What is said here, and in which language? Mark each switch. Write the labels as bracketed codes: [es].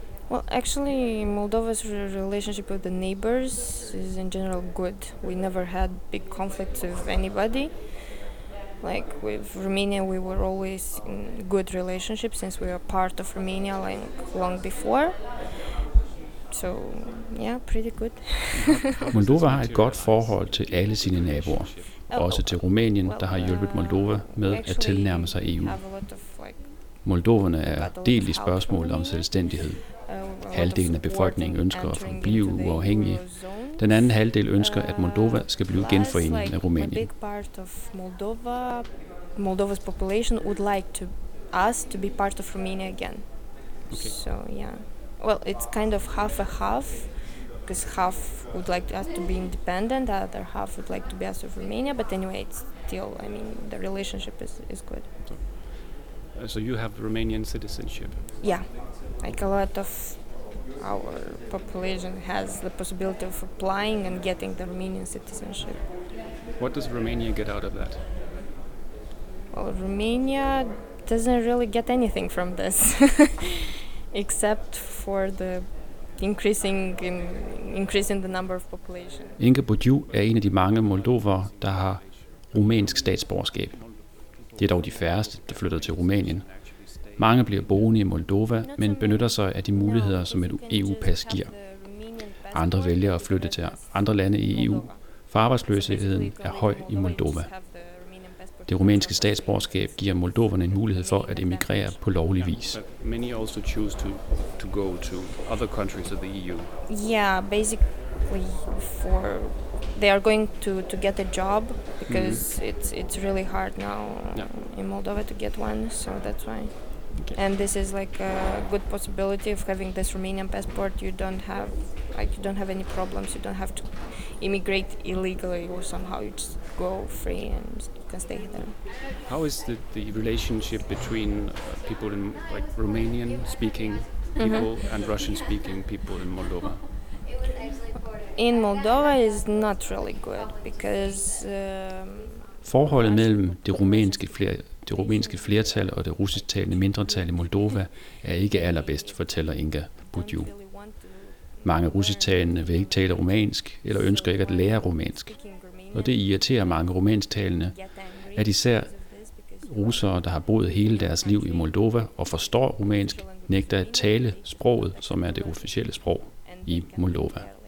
[en] Well, actually, Moldova's relationship with the neighbors is in general good. We never had big conflicts with anybody. Like with Romania, we were always in good relationship since we were part of Romania like long before. So, yeah, pretty good. [da] Moldova har et godt forhold til alle sine naboer, også til Rumænien, der har hjulpet Moldova med at tilnærme sig EU. Moldoverne er delt i spørgsmålet om selvstændighed. Halvdelen af befolkningen ønsker at forblive uafhængige. Den anden halvdel ønsker, at Moldova skal blive genforenet med Rumænien. [en] A big part of Moldova's population would like to us to be part of Romania again. Okay. So yeah, well, it's kind of half a half, because half would like us to be independent, the other half would like to be us of Romania. But anyway, it's still, I mean, the relationship is good. So you have Romanian citizenship? Yeah. Like a lot of our population has the possibility of applying and getting the Romanian citizenship. What does Romania get out of that? Well, Romania doesn't really get anything from this, except for the increasing the number of population. [da] Inga Boggio er en af de mange moldovere, der har rumænsk statsborgerskab. Det er dog de færreste, der flytter til Rumænien. Mange bliver boende i Moldova, men benytter sig af de muligheder, som et EU-pas giver. Andre vælger at flytte til andre lande i EU, for arbejdsløsheden er høj i Moldova. Det rumænske statsborgerskab giver moldoverne en mulighed for at emigrere på lovlig vis. [en] Many also choose to go to other countries of the EU. Yeah, basically for they are going to get a job because it's really hard now in Moldova to get one, so that's why. Okay. And this is like a good possibility of having this Romanian passport. You don't have any problems. You don't have to immigrate illegally or somehow. You just go free and you can stay there. How is the relationship between people in like Romanian speaking people mm-hmm. and Russian-speaking people in Moldova? In Moldova is not really good because [da] forholdet mellem det rumænske flertal og det russisktalende mindretal i Moldova er ikke allerbedst, fortæller Inga Budiu. Mange russisktalende vil ikke tale rumænsk eller ønsker ikke at lære rumænsk. Og det irriterer mange rumænsktalende, at især russere, der har boet hele deres liv i Moldova og forstår rumænsk, nægter at tale sproget, som er det officielle sprog i Moldova.